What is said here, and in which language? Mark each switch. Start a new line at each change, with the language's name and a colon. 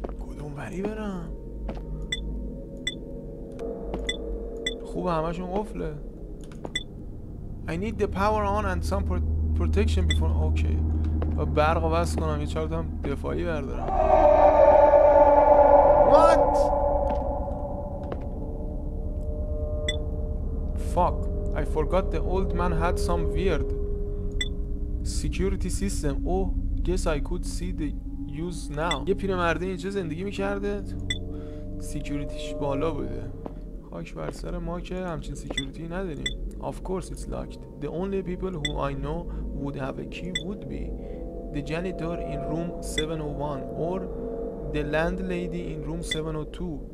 Persian: کدوم بری برم؟ خوب همشون قفله.
English: I need the power on and some protection before.
Persian: اوکی و برق وصل کنم، یه چهار تا هم دفاعی بردارم.
English: What? Fuck, I forgot the old man had some weird security system. Oh, guess I could see the use now.
Persian: یه پیرمرده اینجا زندگی میکرده، سیکیوریتیش بالا بوده. خاک بر سر ما که همچین سیکیوریتی نداریم.
English: Of course it's locked. The only people who I know would have a key would be the janitor in room 701 or the landlady in room 702.